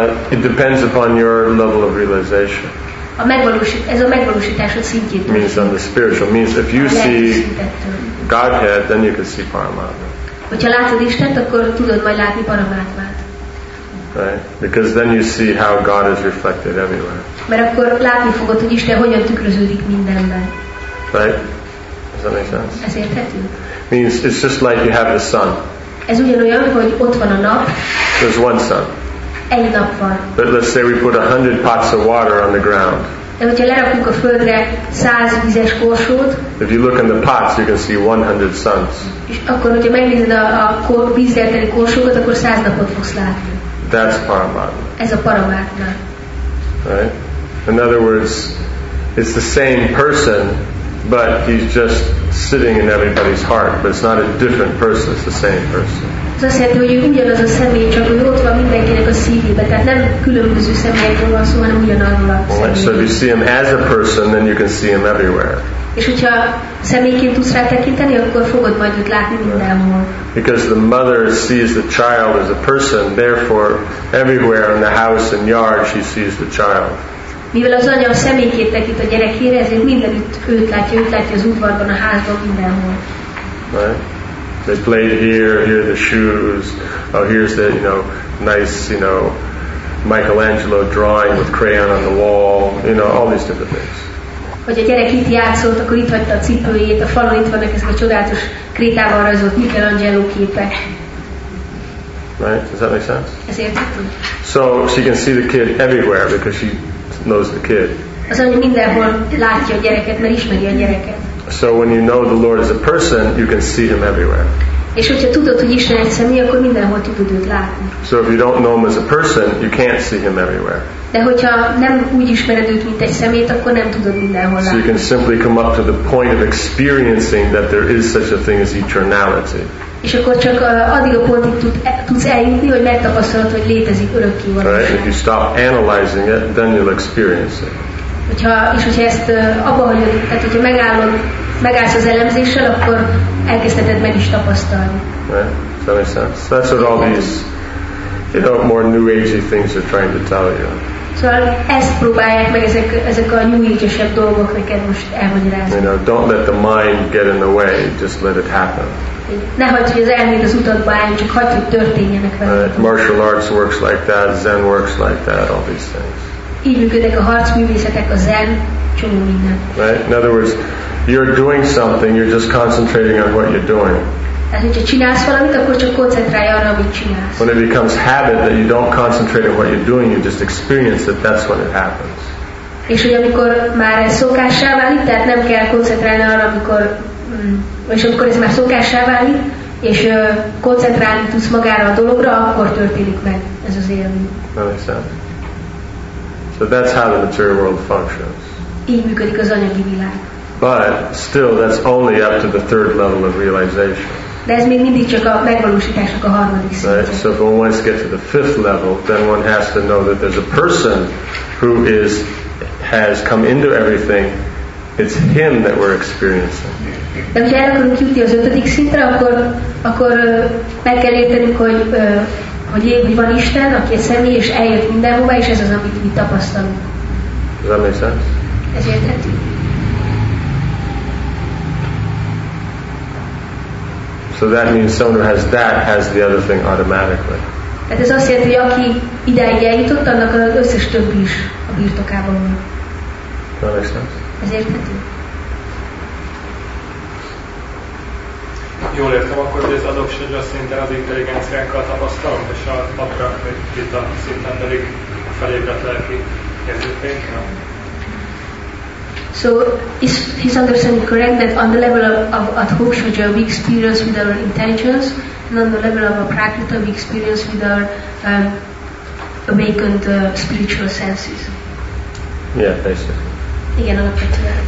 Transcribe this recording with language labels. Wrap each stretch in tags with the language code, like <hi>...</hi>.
<en>It depends upon your level of realization. Means on the spiritual. Means if you see Godhead, then you can see Paramatma.</en> <hu>Hogyha látod Istent, akkor tudod majd látni Paramatmát.</hu> <en>Right? Because then you see how God is reflected everywhere.</en> <hu>Mert akkor látni fogod, hogy Isten hogyan tükröződik mindenben.</hu> <en>Right? Does that make sense?</en> <hu>Ez érthető?</hu> <en>Means it's just like you have the sun.</en> <hu>Ez ugyanolyan, hogy ott van a nap.</hu> <en>There's one sun.</en> <hu>Egy nap van.</hu> <en>But let's say we put 100 pots of water on the ground.</en> <hu>De hogyha lerakunk a földre 100 vizes korsót.</hu> <en>If you look in the pots, you can see 100 suns.</en> <hu>És akkor, hogyha megnézed a vízzel teli korsókat, akkor 100 napot fogsz látni.</hu> <en>That's Paramatma.</en> <hu>Ez a Paramatma.</hu> <en>Right? In other words, it's the same person, but he's just sitting in everybody's heart. But it's not a different person, it's the same person.</en> <hu>Ez azt jelenti, hogy ugyanaz a személy, csak hogy ott van mindenkinek a szívében. Tehát nem különböző személyekről van szó, hanem ugyanarról a személyről.</hu> <en>So if you see him as a person, then you can see him everywhere.</en> <hu>És hogyha személyként tudsz rá tekinteni, akkor fogod majd őt látni mindenhol.</hu> <en>Because the mother sees the child as a person, therefore everywhere in the house and yard she sees the child.</en> <hu>Mivel az anya személyként tekint a gyerekére, ezért mindenütt őt látja az udvarban, a házban, mindenhol.</hu> <en>Right? They played here, here are the shoes. Oh, here's the, you know, nice, you know, Michelangelo drawing with crayon on the wall. You know, all these different things.</en> <hu>Hogy a gyerek itt játszott, akkor itt hagyta a cipőjét, a falon itt vannak ezek a csodálatos krétával rajzolt Michelangelo képek.</hu> <en>Right? Does that make sense?</en> <hu>Ezért tudom.</hu> <en>So she can see the kid everywhere because she knows the kid.</en> <hu>Az anya mindenhol látja a gyereket, mert ismeri a gyereket.</hu> <en>So when you know the Lord is a person, you can see him everywhere.</en> <hu>És hogyha tudod, hogy Isten egy személy, akkor mindenhol tudod őt látni.</hu> <en>So if you don't know him as a person, you can't see him everywhere.</en> <hu>De hogyha nem úgy ismered őt, mint egy szemét, akkor nem tudod mindenhol látni.</hu> <en>So you can simply come up to the point of experiencing that there is such a thing as eternality.</en> <hu>És akkor csak addig a pontig tudsz eljutni, hogy megtapasztalod, hogy létezik örökké valóság.</hu> <en>Right? If you stop analyzing it, then you'll experience it.</en> <hu>Hogyha ezt abba hagyod, tehát hogyha megállsz az elemzéssel, akkor elkezdheted meg is tapasztalni.</hu> <en>Right? That makes sense. So that's what all these, you know, more new age-y things are trying to tell you.</en> <hu>Szóval ezt próbálják meg ezek a new age-esebb dolgok neked most elmagyarázni.</hu> <en>You know, don't let the mind get in the way, just let it happen.</en> <hu>Ne hagyd, hogy az elméd az utatba álljon, csak hagyd, hogy történjenek vele.</hu> <en>Martial arts works like that, Zen works like that, all these things.</en> <hu>Így működnek a harcművészetek, a zen, csomó minden.</hu> <en>Right? In other words, you're doing something, you're just concentrating on what you're doing.</en> <hu>Tehát, hogyha csinálsz valamit, akkor csak koncentrálj arra, amit csinálsz.</hu> <en>When it becomes habit that you don't concentrate on what you're doing, you just experience it, that's when it happens.</en> <hu>És hogy amikor már ez szokássá válik, tehát nem kell koncentrálni arra, amikor, és amikor ez már szokássá válik, és koncentrálni tudsz magára a dologra, akkor történik meg ez az élmény.</hu> <en>That makes sense. But that's how the material world functions.</en> <hu>Így működik az anyagi világ.</hu> <en>But still, that's only up to the third level of realization.</en> <hu>De ez még mindig csak a megvalósításnak a harmadik szintje.</hu> <en>Right? So if one wants to get to the fifth level, then one has to know that there's a person who is has come into everything. It's him that we're experiencing.</en> <hu>De ha el akarunk jutni az ötödik szintre, akkor meg kell értenünk, hogy van Isten, aki a személy, és eljött mindenhova, és ez az, amit mi tapasztalunk.</hu> <en>Does that make sense?</en> <hu>Ez érthető.</hu> <en>So that means someone who has that has the other thing automatically.</en> <hu>Tehát ez azt jelenti, hogy aki ideig eljutott, annak az összes többi is a birtokában van.</hu> <en>Does that make sense?</en> <hu>Ez érthető. Jól értem akkor, hogy az adoksodra szinten az intelligenciánkkal tapasztalunk, és a patrakvita szinten pedig a felébredt lelki érzékeinkkel.</hu> <en>So, is his understanding correct that on the level of adoksodra we experience with our intelligence, and on the level of a prakrita we experience with our awakened spiritual senses? Yeah, basically.</en>